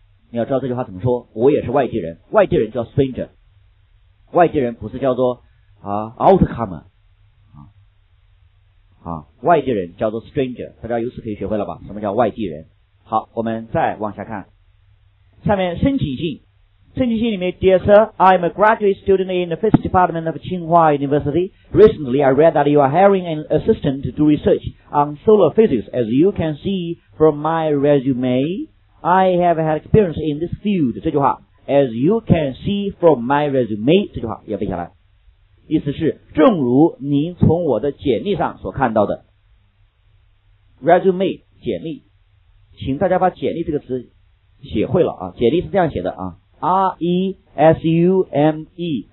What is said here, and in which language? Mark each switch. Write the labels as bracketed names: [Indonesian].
[Chinese] 你要知道这句话怎么说，我也是外地人，外地人叫 stranger， 外地人不是叫做outcomer， 外地人叫做 stranger， 大家由此可以学会了吧，什么叫外地人。好，我们再往下看，下面申请信，申请信里面 [English] Dear sir, I'm a graduate student in the physics department of Tsinghua University. Recently, I read that you are hiring an assistant to do research on solar physics. As you can see from my resumeI have had experience in this field. [Chinese] 这句话 [English] As you can see from my resume. [Chinese] 这句话要背下来，意思是正如您从我的简历上所看到的。 Resume 简历，请大家把简历这个词写会了啊！简历是这样写的啊， [English] R-E-S-U-M-E，